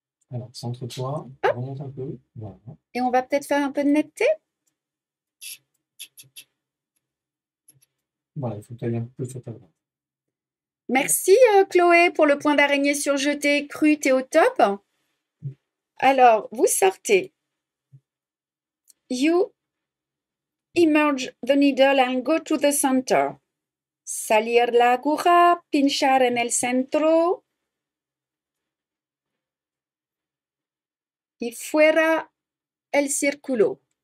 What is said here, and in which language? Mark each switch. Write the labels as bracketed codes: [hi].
[fr] Alors, centre-toi, hop, remonte un peu. Voilà. Et on va peut-être faire un peu de netteté. Voilà, il faut tailler un peu sur ta droite. Merci, Chloé, pour le point d'araignée surjeté, cru, t'es au top. Alors, vous sortez. [en] You emerge the needle and go to the center. [es] Salir la aguja, pinchar en el centro y fuera el círculo.